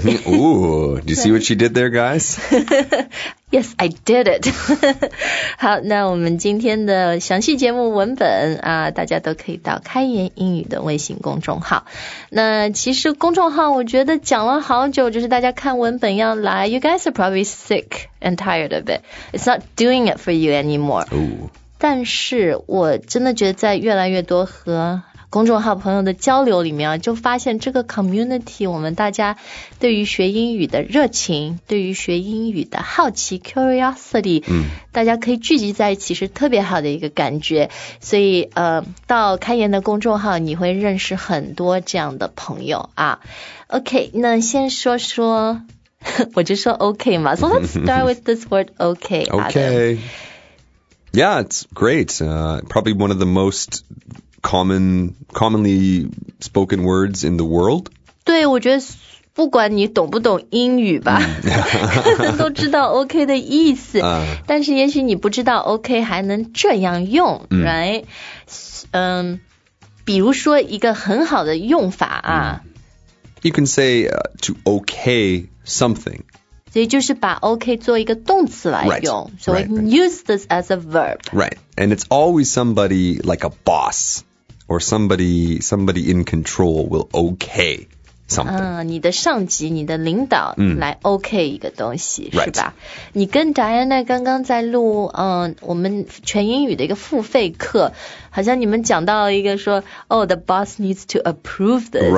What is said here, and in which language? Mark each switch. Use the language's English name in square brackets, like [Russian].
[English] Ooh, do you see what she did there, guys? Yes, I did it. [Chinese] 好，那我们今天的详细节目文本啊，大家都可以到开言英语的微信公众号。那其实公众号我觉得讲了好久，就是大家看文本要来 ， [English] You guys are probably sick and tired of it. It's not doing it for you anymore. Ooh. [Chinese] 但是我真的觉得在越来越多和公众号朋友的交流里面啊，就发现这个 community 我们大家对于学英语的热情，对于学英语的好奇 curiosity， 大家可以聚集在一起是特别好的一个感觉。所以到开言的公众号你会认识很多这样的朋友啊。 OK， 那先说说，我就说 OK 嘛。 [English] So let's start with this word OK. OK. Yeah, it's great. Probably one of the most commonly spoken words in the world. [Chinese] 对，我觉得不管你懂不懂英语吧，都知道 OK 的意思。但是也许你不知道 OK 还能这样用 ，right？比如说一个很好的用法啊。 [English] You can say to OK something. [Chinese] 所以就是把 OK 做一个动词来用 [English] right, ，so we can use this as a verb. Right, and it's always somebody like a boss. Or somebody in control will okay something. [Chinese] 你的上级，你的领导来 okay 一个东西，是吧？ [English] Right. [Chinese] 你跟 Diana 刚刚在录，我们全英语的一个付费课，好像你们讲到一个说 ， [English] Oh, the boss needs to approve this.